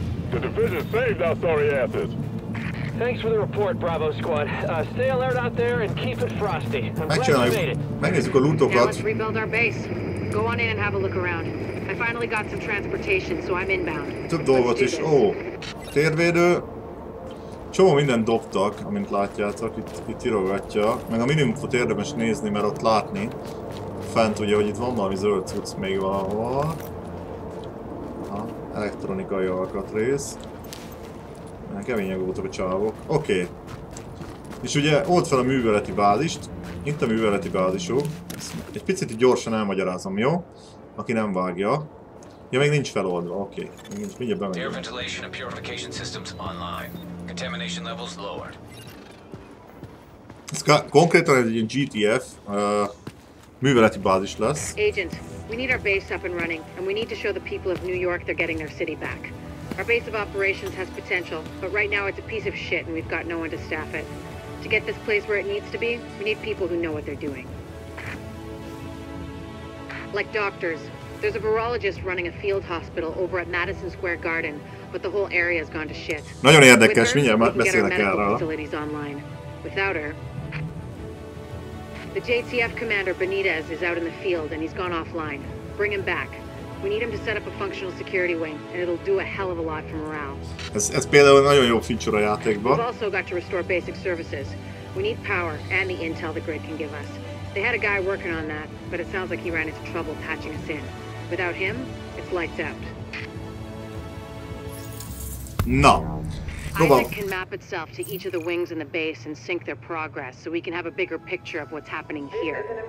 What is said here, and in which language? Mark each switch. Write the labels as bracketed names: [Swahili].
[English] The division saved our sorry asses. Thanks for the report, Bravo Squad. Stay alert out there and keep it frosty. [Hungarian] Megnézzük a lootokat. [English] Now let's rebuild our base. Go on in and have a look around. I finally got some transportation, so I'm inbound. [Hungarian] Több dolgot is. Ó, térvédő. Csomó mindent dobtak, amint látjátok. Itt irogatja. Meg a minimumot érdemes nézni, mert ott látni. Fent ugye, hogy itt van valami zöld cucc még valahol. Elektronikai alkatrész. Már kemények voltak a csávok. Oké. Okay. És ugye old fel a műveleti bázist. Itt a műveleti bázisunk. Egy picit gyorsan elmagyarázom, jó? Aki nem vágja. Ja, még nincs feloldva. Oké. Okay. Mindjárt bemegyünk. [English] Air ventilation and purification systems online. Contamination levels lowered. [Hungarian] Ez konkrétan egy ilyen GTF műveleti bázis lesz. [English] Agent. We need our base up and running, and we need to show the people of New York they're getting their city back. Our base of operations has potential, but right now it's a piece of shit and we've got no one to staff it. To get this place where it needs to be, we need people who know what they're doing. Like doctors. There's a virologist running a field hospital over at Madison Square Garden, but the whole area has gone to shit. [Hungarian] Nagyon érdekes, mindjárt beszélek [English] erről. Without her... The JTF commander Benitez is out in the field and he's gone offline. Bring him back. We need him to set up a functional security wing and it'll do a hell of a lot for morale. [Hungarian] Ez például nagyon jó feature a játékban. [English] We've also got to restore basic services. We need power and the intel the grid can give us. They had a guy working on that, but it sounds like he ran into trouble patching us in. Without him, it's lights out. No. Isaac can map itself to each of the wings in the base and sync their progress so we can have a bigger picture of what's happening here.